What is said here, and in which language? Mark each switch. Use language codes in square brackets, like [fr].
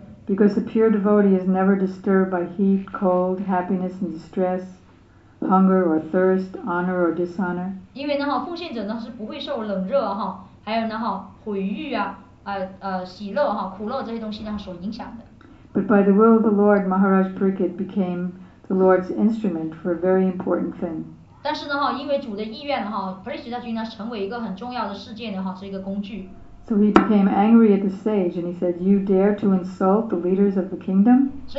[en] Because a pure devotee is never disturbed by heat, cold, happiness and distress, hunger or thirst, honor or dishonor. [zh] 因为奉献者是不会受冷热，还有毁誉，喜乐，苦乐这些东西所影响的。 [en] But by the will of the Lord, Maharaj Parikshit became the Lord's instrument for a very important thing. [zh] 但是因为主的意愿，Parikshit大君成为一个很重要的事件，是一个工具。 [en] So he became angry at the sage and he said, you dare to insult the leaders of the kingdom?